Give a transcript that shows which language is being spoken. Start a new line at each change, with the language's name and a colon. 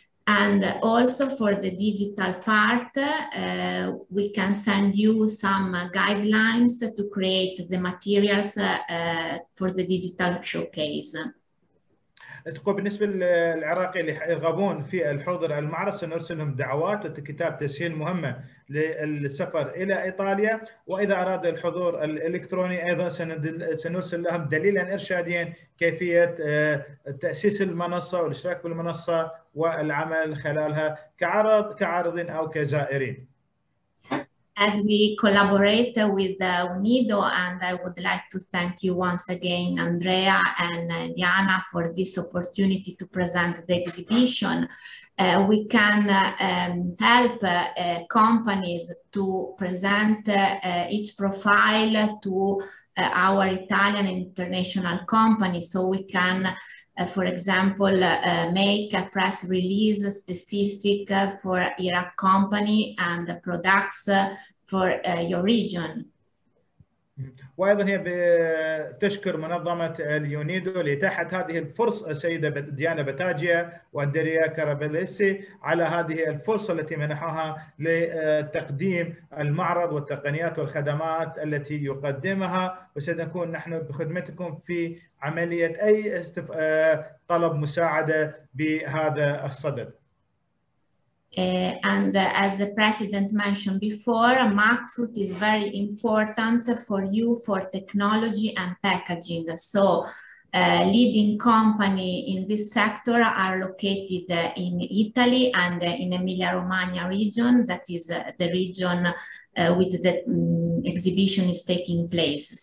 English: And also for the digital part, we can send you some guidelines to create the materials for the digital showcase.
Arabic: تقول بالنسبة للعراقيين اللي يرغبون في الحضور على المعرض سنرسلهم دعوات وكتاب تسهيل مهمة للسفر إلى إيطاليا وإذا أراد الحضور الإلكتروني أيضا سنرسل لهم دليلا إرشاديا كيفية تأسيس المنصة والاشتراك بالمنصة والعمل خلالها كعارضين أو كزائرين.
English: as we collaborate with UNIDO, and I would like to thank you once again, Andrea and Diana, for this opportunity to present the exhibition. We can help companies to present each profile to our Italian international companies, so we can, for example, make a press release specific for Iraq company and the products for your region.
Arabic: وأيضا هي بتشكر منظمة اليونيدو اللي تحت هذه الفرصة سيدة ديانا بتاجيا وأندريا كارابيليسي على هذه الفرصة التي منحها لتقديم المعرض والتقنيات والخدمات التي يقدمها وسنكون نحن بخدمتكم في عملية أي طلب مساعدة بهذا الصدد.
English: And as the president mentioned before, Macfrut is very important for you for technology and packaging. So leading company in this sector are located in Italy and in Emilia-Romagna region, that is the region which the exhibition is taking place.